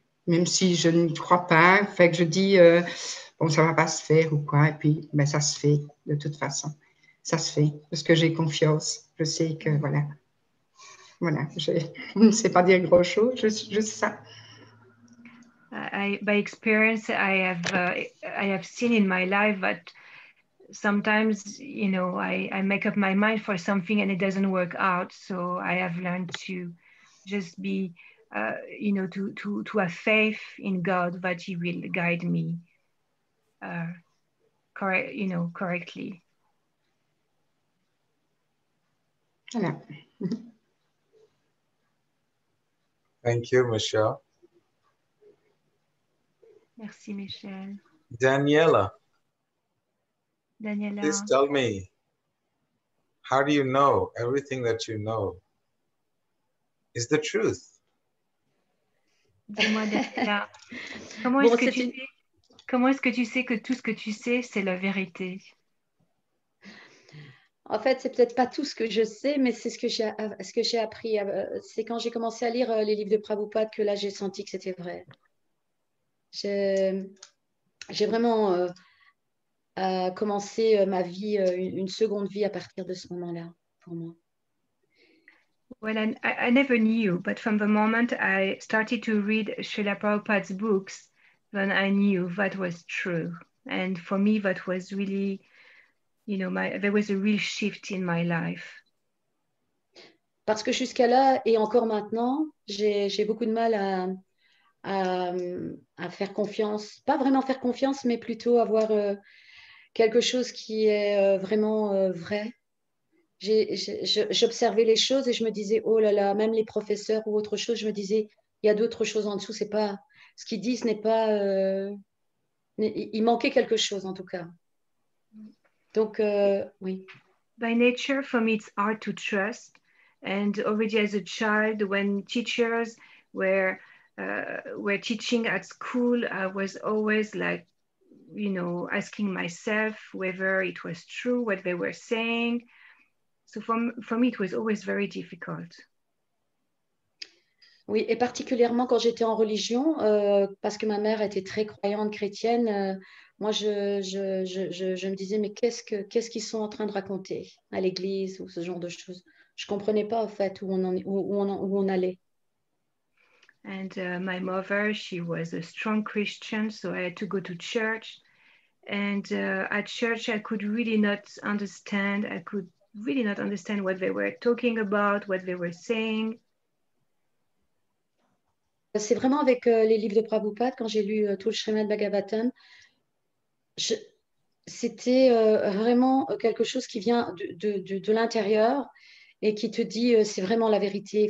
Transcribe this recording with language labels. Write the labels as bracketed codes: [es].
[fr] même si je ne crois pas, fait que je dis bon, ça va pas se faire ou quoi, et puis ben, ça se fait de toute façon, ça se fait parce que j'ai confiance, je sais que voilà, voilà, je ne sais pas dire grand chose, juste ça. [en] By experience, I have seen in my life that sometimes, you know, I make up my mind for something and it doesn't work out. So I have learned to just be, you know, to have faith in God that He will guide me, correctly. [fr] Voilà. [en] Thank you, Michelle. [fr] Merci, Michelle. [en] Daniela, please tell me, how do you know everything that you know is the truth? [fr] Dis-moi, Daniela, comment est-ce que tu sais que tout ce que tu sais, c'est la vérité? En fait, c'est peut-être pas tout ce que je sais, mais c'est ce que j'ai appris. C'est quand j'ai commencé à lire les livres de Prabhupada que là, j'ai senti que c'était vrai. J'ai vraiment commencé ma vie, une seconde vie à partir de ce moment-là, pour moi. [en] Well, I never knew, but from the moment I started to read Srila Prabhupada's books, then I knew that was true. And for me, that was really, you know, there was a real shift in my life. [fr] Parce que jusqu'à là, et encore maintenant, j'ai beaucoup de mal à faire confiance, pas vraiment faire confiance, mais plutôt avoir quelque chose qui est vraiment vrai. J'observais les choses et je me disais, oh là là, même les professeurs ou autre chose, je me disais, il y a d'autres choses en dessous, c'est pas ce qu'ils disent, n'est pas il manquait quelque chose en tout cas. Donc oui, [en] by nature for me it's hard to trust, and already as a child when teachers were teaching at school, I was always like, you know, asking myself whether it was true what they were saying. So for me it was always very difficult. [fr] Oui, et particulièrement quand j'étais en religion, parce que ma mère était très croyante chrétienne, moi je me disais, mais qu'est-ce qu'ils sont en train de raconter à l'église ou ce genre de choses. Je comprenais pas en fait où on allait. [en] And my mother, she was a strong Christian, so I had to go to church. And at church, I could really not understand. I could really not understand what they were talking about, what they were saying. [fr] C'est vraiment avec les livres de Prabhupada, quand j'ai lu tout le Srimad Bhagavatam, c'était vraiment quelque chose qui vient de l'intérieur et qui te dit, c'est vraiment la vérité.